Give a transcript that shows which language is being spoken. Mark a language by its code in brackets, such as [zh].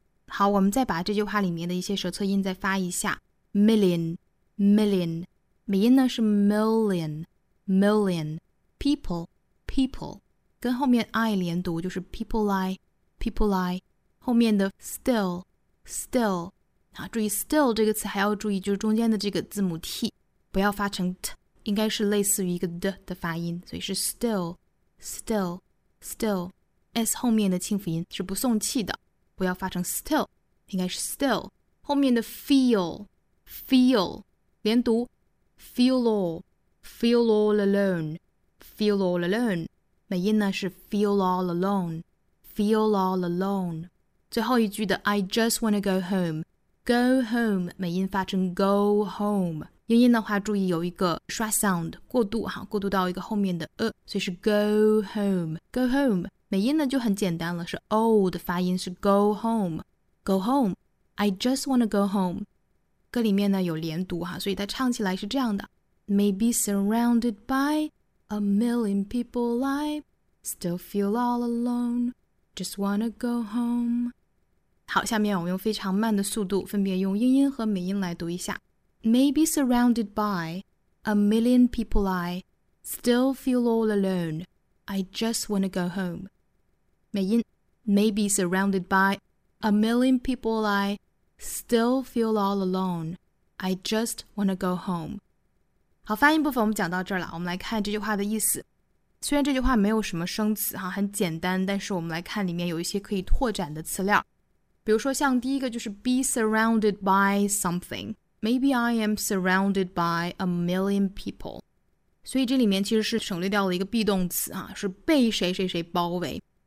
[zh] 好，我们再把这句话里面的一些舌侧音再发一下 million million， 美音呢是 million million， people people 跟后面 I 连读就是 people lie people lie， 后面的 still still 啊，注意 still 这个词还要注意，就是中间的这个字母 t 不要发成 t， 应该是类似于一个 d 的发音，所以是 still still still， s 后面的清辅音是不送气的，不要发成 still， 应该是 still。后面的 feel feel 连读 feel all feel all alone feel all alone， 美音呢是 feel all alone feel all alone。最后一句的 [en] I just wanna go homeGo home， [zh] 美音发成 go home， 英音的话注意有一个刷 sound 过渡哈，过渡到一个后面的所以是 go home go home。美音呢就很简单了，是 o 的发音，是 go home go home， [en] I just wanna go home。 [zh] 歌里面呢有连读哈，所以它唱起来是这样的 [en] Maybe surrounded by a million people I still feel all alone just wanna go home。 [zh] 好，下面我用非常慢的速度分别用英音和美音来读一下。 [en] Maybe surrounded by a million people I still feel all alone I just wanna go home。 [zh] 美音 [en] Maybe surrounded by a million people I still feel all alone I just wanna go home。 [zh] 好，发音部分我们讲到这儿了，我们来看这句话的意思。虽然这句话没有什么生词哈，很简单，但是我们来看里面有一些可以拓展的词料。比如说像第一个就是 be surrounded by something， [en] Maybe I am surrounded by a million people， [zh] 所以这里面其实是省略掉了一个 be 动词啊，是被谁谁谁包围。